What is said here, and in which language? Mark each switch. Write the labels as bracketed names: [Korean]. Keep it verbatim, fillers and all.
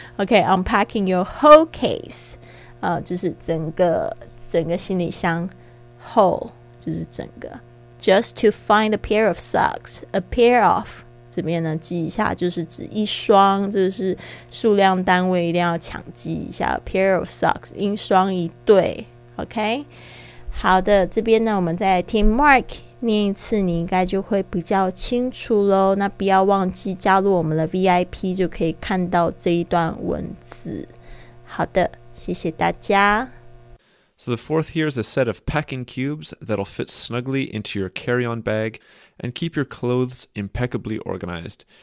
[Chinese] OK， unpacking your whole case、呃、就是整个整个行李箱， whole 就是整个。 [English] just to find a pair of socks。 [Chinese] a pair of 这边呢记一下，就是指一双，这是数量单位，一定要抢记一下。 [English] a pair of socks 一双一对。 [Chinese] OK，好的，这边呢我们再来听 Mark 念一次，你应该就会比较清楚咯。那不要忘记加入我们的 V I P， 就可以看到这一段文字。好的，谢谢大家。 [English] So the fourth here is a set of packing cubes that'll fit snugly into your carry-on bag and keep your clothes impeccably organized.